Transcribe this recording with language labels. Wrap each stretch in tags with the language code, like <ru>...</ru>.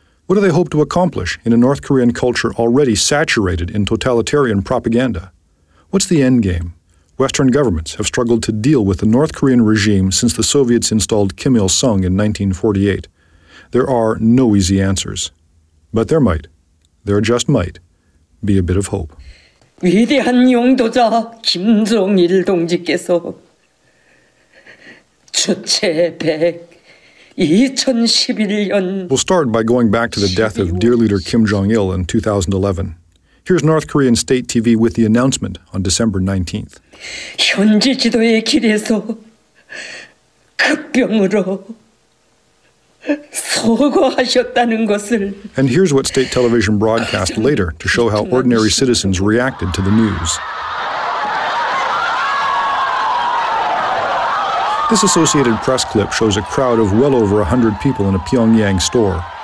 <en>What do they hope to accomplish in a North Korean culture already saturated in totalitarian propaganda? What's the end game? Western governments have struggled to deal with the North Korean regime since the Soviets installed Kim Il-sung in 1948. There are no easy answers. But there might, there just might, be a bit of hope.</en> <ko>위대한 용도자 김정일 동지께서 주체 100 2011</ko> <en>We'll start by going back to the death of dear leader Kim Jong-il in 2011. Here's North Korean state TV with the announcement on December 19th.</en> <ko>현지 지도의 길에서 급병으로 서거하셨다는 것을.</ko> <en>And here's what state television broadcast later to show how ordinary citizens reacted to the news. This Associated Press clip shows a crowd of well over 100 people in a Pyongyang store.</en>